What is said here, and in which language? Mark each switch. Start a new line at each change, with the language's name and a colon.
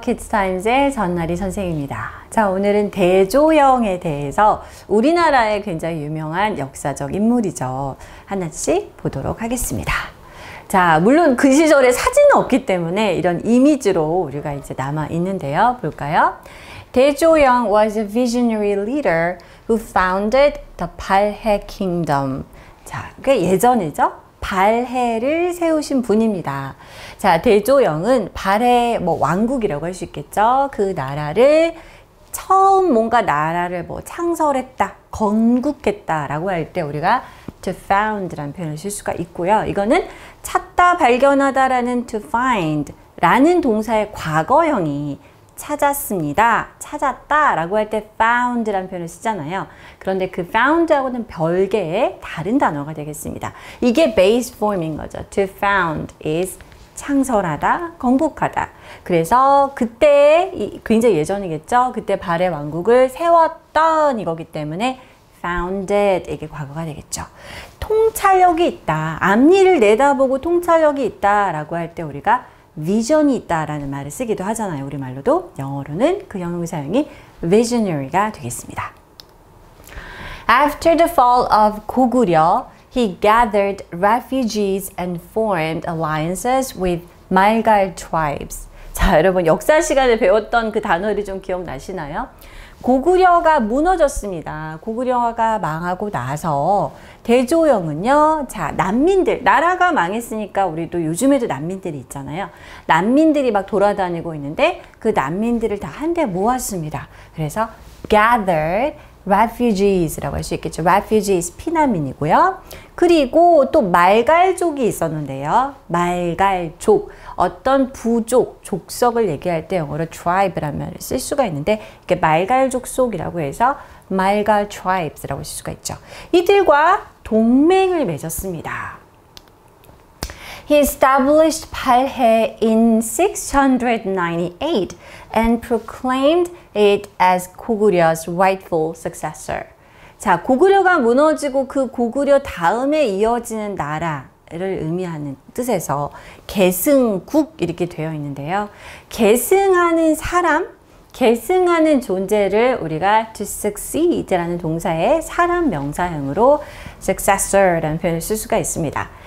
Korean: Kids Times의 전나리 선생입니다. 자, 오늘은 대조영에 대해서 우리나라의 굉장히 유명한 역사적 인물이죠. 하나씩 보도록 하겠습니다. 자, 물론 그 시절에 사진은 없기 때문에 이런 이미지로 우리가 이제 남아 있는데요. 볼까요?
English: 대조영 was a visionary leader who founded the 발해 kingdom.
Korean: 자, 꽤 예전이죠? 발해를 세우신 분입니다. 자, 대조영은 발해 뭐 왕국이라고 할 수 있겠죠. 그 나라를 처음 뭔가 나라를 뭐 창설했다, 건국했다라고 할 때 우리가 to found라는 표현을 쓸 수가 있고요. 이거는 찾다, 발견하다라는 to find라는 동사의 과거형이 찾았습니다. 찾았다 라고 할 때 found라는 표현을 쓰잖아요. 그런데 그 found하고는 별개의 다른 단어가 되겠습니다. 이게 base form인 거죠.
English: To found is
Korean: 창설하다, 건국하다. 그래서 그때 굉장히 예전이겠죠. 그때 발해 왕국을 세웠던 이거기 때문에 founded 이게 과거가 되겠죠. 통찰력이 있다. 앞니를 내다보고 통찰력이 있다 라고 할 때 우리가 vision이 있다라는 말을 쓰기도 하잖아요. 우리말로도 영어로는 그 형용사형이 visionary가 되겠습니다.
English: After the fall of 고구려, he gathered refugees and formed alliances with Malgal tribes.
Korean: 자, 여러분 역사 시간에 배웠던 그 단어들이 좀 기억나시나요? 고구려가 무너졌습니다. 고구려가 망하고 나서 대조영은요, 자, 난민들, 나라가 망했으니까 우리도 요즘에도 난민들이 있잖아요. 난민들이 막 돌아다니고 있는데 그 난민들을 다 한데 모았습니다. 그래서
English: gathered refugees
Korean: 라고 할 수 있겠죠. refugees, 피난민이고요. 그리고 또 말갈족이 있었는데요. 말갈족, 어떤 부족, 족속을 얘기할 때 영어로 tribe라면 쓸 수가 있는데 이게 말갈족 속이라고 해서 말갈 tribes라고 쓸 수가 있죠. 이들과 동맹을 맺었습니다.
English: He established 발해 in 698 and proclaimed it as 고구려's rightful successor.
Korean: 자, 고구려가 무너지고 그 고구려 다음에 이어지는 나라를 의미하는 뜻에서 계승국 이렇게 되어 있는데요. 계승하는 사람, 계승하는 존재를 우리가 to succeed라는 동사의 사람 명사형으로 successor라는 표현을 쓸 수가 있습니다.